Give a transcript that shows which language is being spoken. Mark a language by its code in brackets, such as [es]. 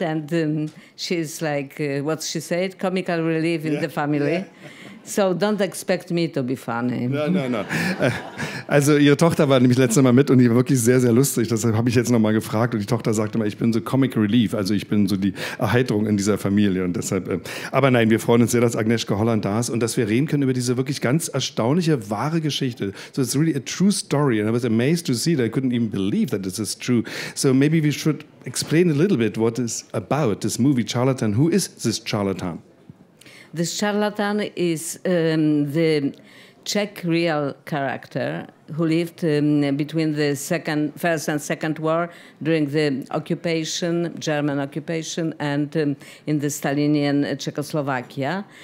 [en] And she's like, what she said, comical relief in the family. Yeah. So don't expect me to be funny. No. [de] Also Ihre Tochter war nämlich letztes Mal mit und die war wirklich sehr, sehr lustig. Deshalb habe ich jetzt nochmal gefragt und die Tochter sagte immer, ich bin so Comic Relief, also ich bin so die Erheiterung in dieser Familie. Und deshalb. Aber nein, wir freuen uns sehr, dass Agnieszka Holland da ist und dass wir reden können über diese wirklich ganz erstaunliche, wahre Geschichte. [en] So it's really a true story and I was amazed to see that I couldn't even believe that this is true. So maybe we should explain a little bit what is about this movie Charlatan. Who is this charlatan? This charlatan is the Czech real character who lived between the first and second war during the occupation, German occupation, and in the Stalinian Czechoslovakia.